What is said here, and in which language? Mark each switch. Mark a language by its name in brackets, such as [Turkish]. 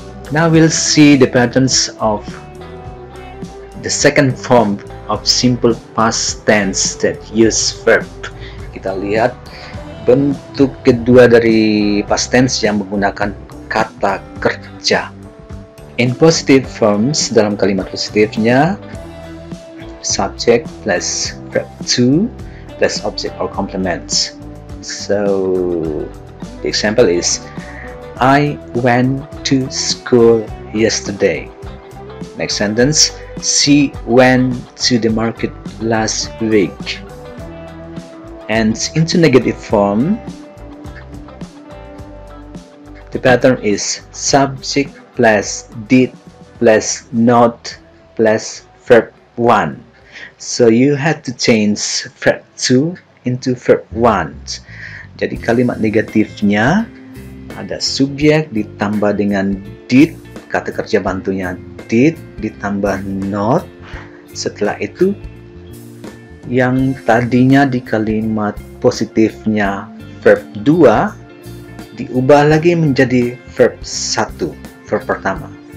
[English] Now we'll see the patterns of the second form of simple past tense that use verb. [Indonesian] Kita lihat bentuk kedua dari past tense yang menggunakan kata kerja. [English] In positive forms, [Indonesian] dalam kalimat positifnya, [English] subject plus verb 2 plus object or complements. So, the example is, I went to school yesterday. Next sentence, she went to the market last week. And into negative form, the pattern is subject plus did plus not plus verb 1. So you have to change verb 2 into verb 1. [Indonesian] Jadi kalimat negatifnya ada subjek ditambah dengan did, kata kerja bantunya did, ditambah not. Setelah itu, yang tadinya di kalimat positifnya verb 2, diubah lagi menjadi verb 1, verb pertama.